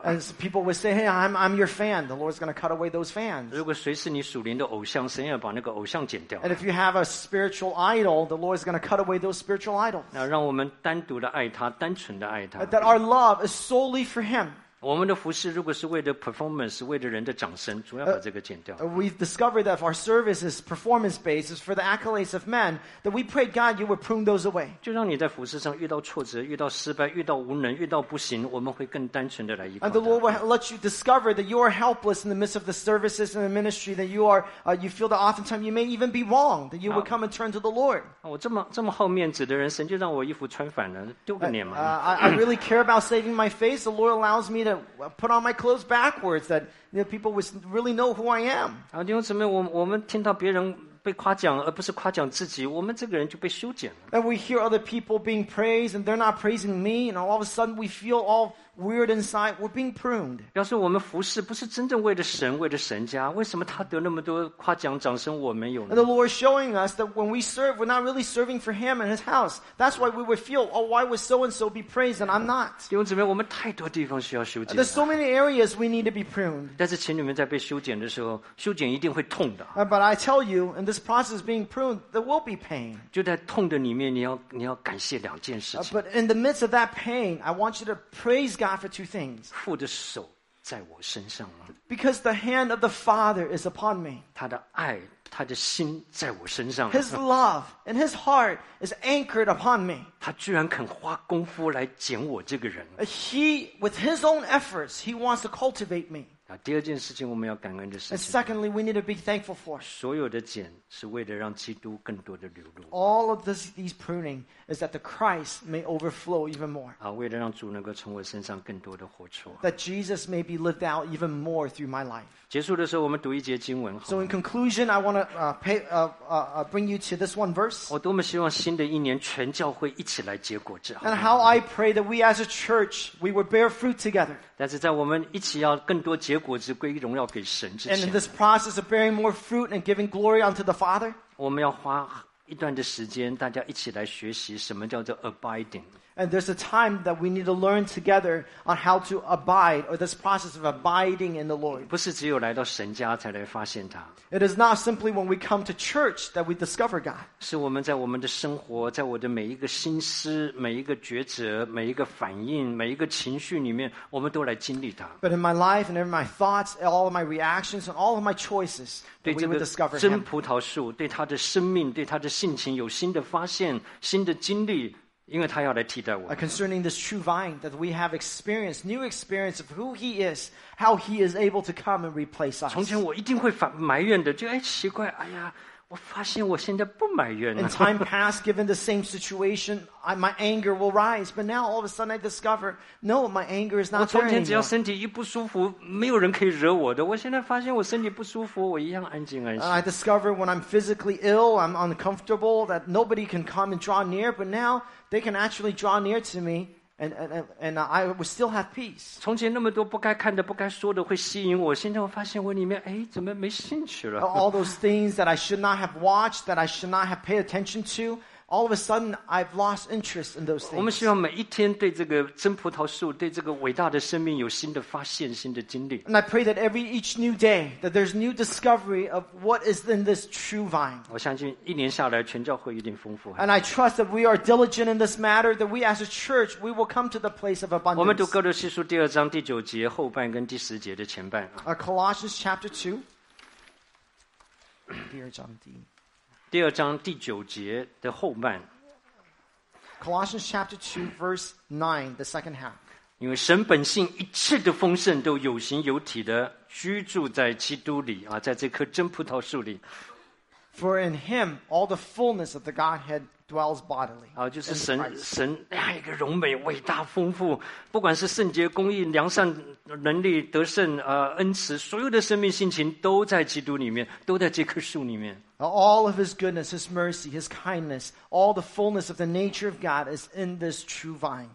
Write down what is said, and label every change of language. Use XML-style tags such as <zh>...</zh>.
<en>And people will say, "Hey, I'm your fan." The Lord is going to cut away those fans.</en> <zh>如果谁是你属灵的偶像，神要把那个偶像剪掉。</zh> <en>And if you have a spiritual idol, the Lord is going to cut away those spiritual idols.</en> <zh>那让我们单独的爱他，单纯的爱他。</zh> <en>That our love is solely for Him.</en> <zh>我们的服事如果是为了 performance 为了人的掌声主要把这个剪掉</zh> <en>we've discovered that if our service is performance based is for the accolades of men that we pray God you would prune those away</en> <zh>就让你在服事上遇到挫折遇到失败遇到无能遇到不行我们会更单纯的来依靠</zh> <en>and the Lord will let you discover that you are helpless in the midst of the services and the ministry that you are you feel that oftentimes you may even be wrong that you would come and turn to the Lord</en> <zh>我这么好面子的人神就让我衣服穿反了丢个脸嘛</zh> <en>I really care about saving my face the Lord allows me to put on my clothes backwards, that you know, people would really know who I am.</en> <zh>啊，弟兄姊妹，我们听到别人被夸奖，而不是夸奖自己，我们这个人就被羞减了。</zh> <en>And we hear other people being praised, and they're not praising me, and all of a sudden we feel all weird inside. We're being pruned.</en> <zh>表示我们服侍不是真正为了神，为了神家，为什么他得那么多夸奖、掌声，我没有呢？</zh> <en>And the Lord is showing us that when we serve, we're not really serving for Him and His house. That's why we would feel, oh, why would so and so be praised and I'm not?</en> <zh>弟兄姊妹，我们太多地方需要修剪。</zh> <en>There's so many areas we need to be pruned.</en> <zh>但是请你们在被修剪的时候，修剪一定会痛的。</zh> <en>But I tell you, in this process of being pruned, there will be pain.</en> <zh>就在痛的里面，你要感谢两件事情。</zh> <en>But in the midst of that pain, I want you to praise God for two things.</en> <zh>父的手在我身上了。</zh> <en>Because the hand of the Father is upon me.</en> <zh>他的爱，他的心在我身上</zh> <en>了。His love and His heart is anchored upon me.</en> <zh>他居然肯花功夫来捡我这个人。</zh> <en>He, with His own efforts, He wants to cultivate me.</en> <zh>啊，第二件事情我们要感恩的事情。</zh> <en>And secondly, we need to be thankful for.</en> <zh>所有的捡是为了让基督更多的流露。</zh> <en>All of these pruning is that the Christ may overflow even more.</en> <zh>啊，为了让主能够从我身上更多的活出。</zh> <en>That Jesus may be lived out even more through my life.</en> <zh>结束的时候，我们读一节经文。</zh> <en>So in conclusion, I want to bring you to this one verse.</en> <zh>我多么希望新的一年全教会一起来结果子。</zh> <en>And how I pray that we as a church we would bear fruit together.</en> <zh>但是在我们一起要更多结果子归荣耀给神之前。</zh> <en>And in this process of bearing more fruit and giving glory unto the Father,</en> <zh>我们要花一段的时间，大家一起来学习什么叫做 abiding。</zh> <en>And there's a time that we need to learn together on how to abide, or this process of abiding in the Lord.</en> <zh>不是只有来到神家才来发现他。</zh> <en>It is not simply when we come to church that we discover God.</en> <zh>是我们在我们的生活，在我的每一个心思、每一个抉择、每一个反应、每一个情绪里面，我们都来经历他。</zh> <en>But in my life and in my thoughts, all of my reactions and all of my choices, we would discover Him.</en> <zh>对这个真葡萄树，对他的生命，对他的性情有新的发现、新的经历。因为他要来替代我。</zh> <en>Concerning this true vine, that we have experienced, new experience of who He is, how He is able to come and replace us.</en> <zh>从前我一定会埋怨的，就哎奇怪，哎呀，我发现我现在不埋怨了。</zh> <en>In time past, given the same situation, my anger will rise. But now, all of a sudden, I discover, no, my anger is not there anymore.</en> <zh>我从前只要身体一不舒服，没有人可以惹我的。我现在发现我身体不舒服，我一样安静安心。</zh> <en>I discover when I'm physically ill, I'm uncomfortable, that nobody can come and draw near. But now, they can actually draw near to me, and I would still have peace.</en> <zh>从前那么多不该看的、不该说的会吸引我，现在我发现我里面，哎，怎么没兴趣了？</zh> <en>All those things that I should not have watched, that I should not have paid attention to, all of a sudden I've lost interest in those things.</en> <zh>我们希望每一天对这个真葡萄树、对这个伟大的生命有新的发现、新的经历。</zh> <en>And I pray that each new day, that there's new discovery of what is in this true vine.</en> <zh>我相信一年下来，全教会一定丰富。</zh> <en>And I trust that we are diligent in this matter, that we as a church, we will come to the place of abundance.</en> <zh>我们读哥罗西书第二章第九节后半跟第十节的前半。</zh> <en>Colossians chapter 2,</en> <zh>第二章第一。第二章第九节的后半。</zh> <en>Colossians chapter 2, verse 9, the second half.</en> <zh>因为神本性一切的丰盛都有形有体的居住在基督里，啊，在这棵真葡萄树里。</zh> <en>For in him all the fullness of the Godhead dwells bodily.</en> <zh>啊，就是神那一个荣美、伟大、丰富，不管是圣洁、公义、良善、能力、得胜、恩慈，所有的生命、性情都在基督里面，都在这棵树里面。</zh> <en>All of His goodness, His mercy, His kindness, all the fullness of the nature of God is in this true vine.</en>